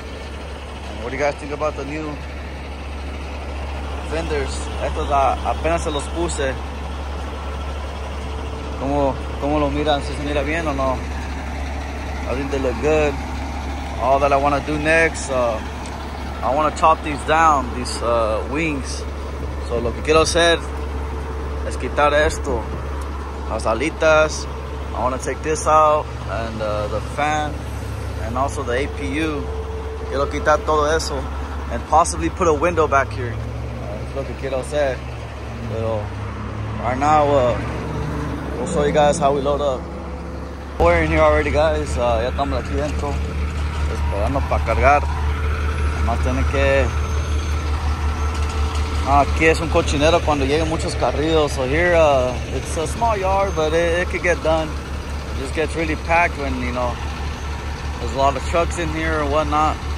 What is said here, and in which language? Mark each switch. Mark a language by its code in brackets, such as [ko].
[en] And what do you guys think about the new fenders? [es] Estos apenas se los puse. ¿Cómo lo miran? ¿Si se mira bien o no? [en] I think they look good. All that I want to do next, I want to chop these down, these wings. [es] So lo que quiero hacer es quitar esto. Las alitas. [en] I want to take this out and the fan and also the APU. [es] Quiero quitar todo eso [en] and possibly put a window back here. That's [es] lo que quiero hacer. [en] Pero right now, we'll show you guys how we load up. We're in here already, guys. [es] Ya estamos aquí dentro. Esperando para cargar. Más tiene que... aquí es un cochinero cuando lleguen muchos carrillos. [en] So here, it's a small yard, but it could get done. It just gets really packed when, you know, there's a lot of trucks in here and whatnot.